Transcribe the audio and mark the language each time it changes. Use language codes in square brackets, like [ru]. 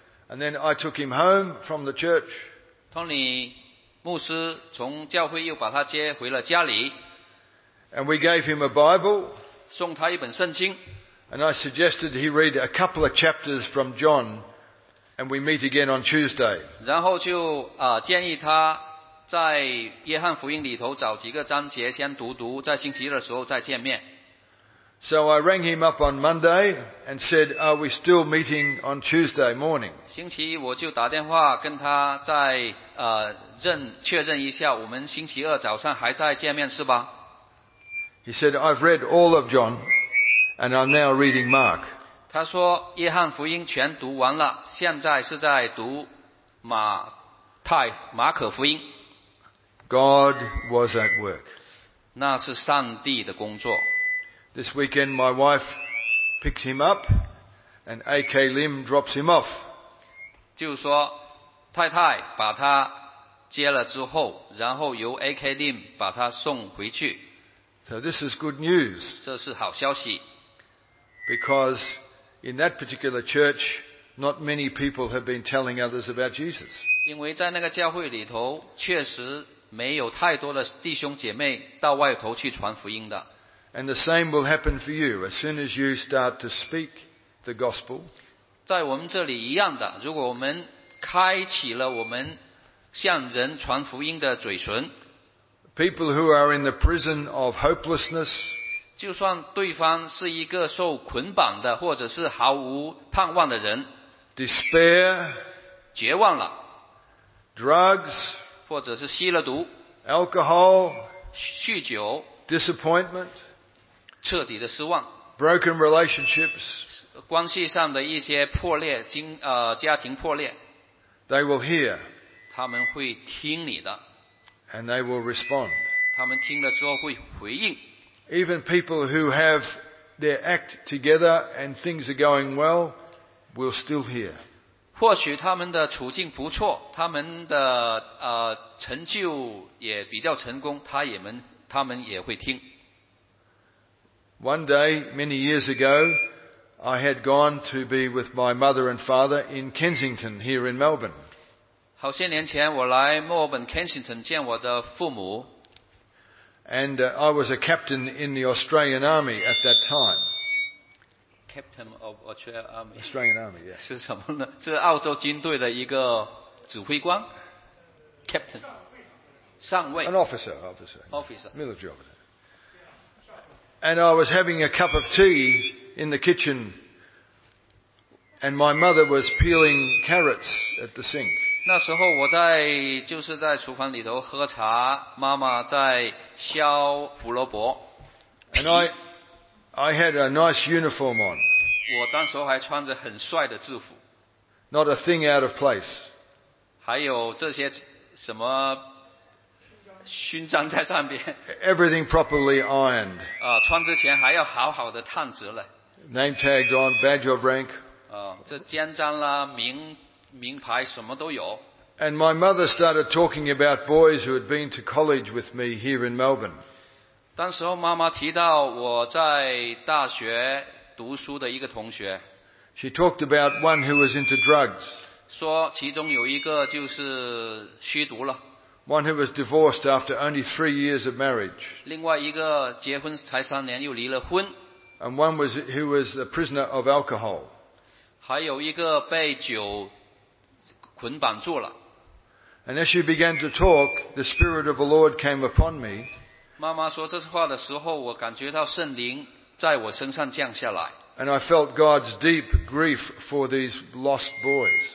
[en] And then I took him home from the church. [zh] Tony 牧师从教会又把他接回了家里。 [en] And we gave him a Bible. [zh] 送他一本圣经。 [en] And I suggested he read a couple of chapters from John, and we meet again on Tuesday. [zh] 然后就建议他在约翰福音里头找几个章节先读读，在星期一的时候再见面。 [en] So I rang him up on Monday and said, are we still meeting on Tuesday morning? [zh] 星期一我就打电话跟他再确认一下，我们星期二早上还在见面是吧？ [en] He said, I've read all of John and I'm now reading Mark. [zh] 他说约翰福音全读完了，现在是在读马可福音。 [en] God was at work. [zh] 那是上帝的工作。 [en] This weekend, my wife picked him up, and A.K. Lim drops him off. [zh] 就说太太把他接了之后，然后由 A.K. Lim 把他送回去。 [en] So this is good news. [zh] 这是好消息。 [en] Because in that particular church, not many people have been telling others about Jesus. [zh] 因为在那个教会里头，确实没有太多的弟兄姐妹到外头去传福音的。 [en] And the same will happen for you as soon as you start to speak the gospel. [zh] 在我们这里一样的，如果我们开启了我们向人传福音的嘴唇， [en] people who are in the prison of hopelessness, [zh] 就算对方是一个受捆绑的或者是毫无盼望的人， [en] despair, [zh] 绝望了， [en] drugs, [zh] 或者是吸了毒， [en] alcohol, [zh] 酗酒， [en] disappointment, [zh] 彻底的失望， [en] broken relationships, [zh] 关系上的一些破裂，家庭破裂， [en] they will hear, [zh] 他们会听你的， [en] and they will respond, [zh] 他们听了之后会回应。 [en] Even people who have their act together and things are going well will still hear. [zh] 或许他们的处境不错，他们的成就也比较成功，他们也会听。 [en] One day, many years ago, I had gone to be with my mother and father in Kensington here in Melbourne. [zh] 好些年前我来墨尔本 Kensington 见我的父母。 [en] And I was a captain in the Australian Army at that time. Captain of Australian Army. Australian Army, yes. [zh] 是什么呢？是澳洲军队的一个指挥官。 Captain. 上尉。 [en] An officer, officer. Officer. Military officer. And I was having a cup of tea in the kitchen, and my mother was peeling carrots at the sink. [zh] 那时候我在就是在厨房里头喝茶，妈妈在削胡萝卜。 [en] And I had a nice uniform on. [zh] 我当时还穿着很帅的制服。 [en] Not a thing out of place. [zh] 还有这些什么？勋章在上边。 [en] Everything properly ironed. [zh] 穿之前还要好好的烫直了。 [en] Name tags on, badge of rank. [zh] 这肩章啦，名牌什么都有。 [en] And my mother started talking about boys who had been to college with me here in Melbourne. [zh] 当时候妈妈提到我在大学读书的一个同学。 [en] She talked about one who was into drugs. [zh] 说其中有一个就是吸毒了。 [en] One who was divorced after only 3 years of marriage. [zh] 另外一个结婚才三年又离了婚。 [en] And one was, who was a prisoner of alcohol. [zh] 还有一个被酒捆绑住了。 [en] And as she began to talk, the Spirit of the Lord came upon me. [zh] 妈妈说这话的时候，我感觉到圣灵在我身上降下来。 [en] And I felt God's deep grief for these lost boys.